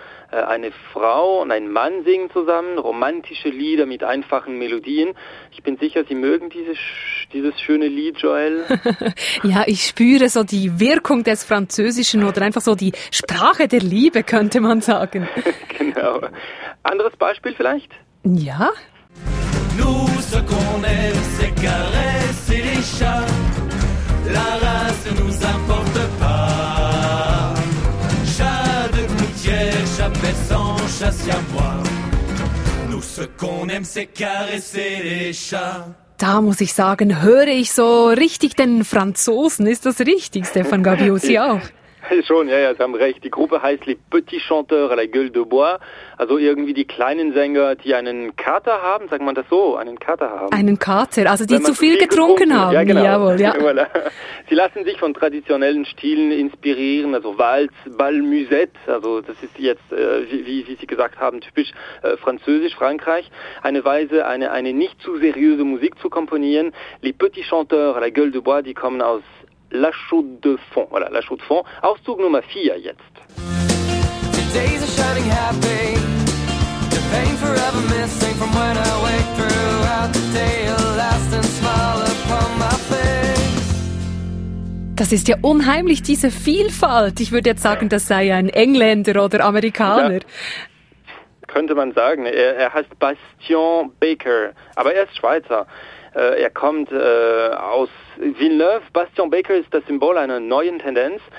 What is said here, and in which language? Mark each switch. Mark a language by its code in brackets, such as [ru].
[de] Eine Frau und ein Mann singen zusammen, romantische Lieder mit einfachen Melodien. Ich bin sicher, Sie mögen dieses schöne Lied, Joël. Ja, ich spüre so die Wirkung des Französischen oder einfach so die Sprache der Liebe, könnte man sagen. Genau. Anderes Beispiel vielleicht? Ja. [fr] Nous, ce qu'on aime, c'est caresser les chats. La race ne nous importe pas. Chat de gouttière, chat paissant, chat si à boire. Nous, ce qu'on aime, c'est caresser les chats. [de] Da muss ich sagen, höre ich so richtig den Franzosen. Ist das richtig, Stéphane Gabiot? Sie auch? Schon, ja, Sie haben recht. Die Gruppe heißt Les Petits Chanteurs à la Gueule de Bois. Also irgendwie die kleinen Sänger, die einen Kater haben, sagt man das so, einen Kater haben. Einen Kater, also die zu viel getrunken haben. Ja, genau. Jawohl, ja. Voilà. Sie lassen sich von traditionellen Stilen inspirieren, also Walz, Bal, Musette. Also das ist jetzt, wie Sie gesagt haben, typisch französisch, Frankreich. Eine Weise, eine nicht zu seriöse Musik zu komponieren. Les Petits Chanteurs à la Gueule de Bois, die kommen aus La Chaude de Fond, voilà, La Chaude de Fond. Auszug Nummer 4 jetzt. [en] Today's a shining happy. The pain forever missing from when I wake throughout the day. A lasting smile upon my face. [de] Das ist ja unheimlich, diese Vielfalt. Ich würde jetzt sagen, das sei ein Engländer oder Amerikaner. Ja. Könnte man sagen. Er heißt Bastien Baker, aber er ist Schweizer. Er kommt aus Villeneuve. Bastien Baker ist das Symbol einer neuen Tendenz.